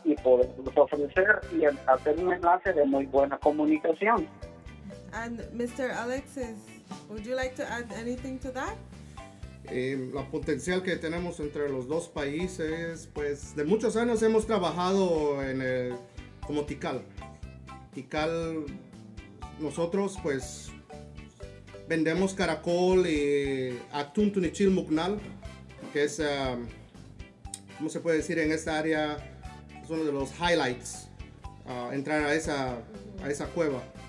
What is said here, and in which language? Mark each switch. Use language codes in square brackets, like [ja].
[es] y poderlos ofrecer y hacer un enlace de muy buena comunicación. [en] And Mr. Alexis, would you like to add anything to that? [es] La potencial que tenemos entre los dos países, pues de muchos años hemos trabajado en como Tikal. Tikal, nosotros pues vendemos caracol y atún tunichil mugnal, que es, ¿cómo se puede decir? En esta área es uno de los highlights, entrar a esa cueva.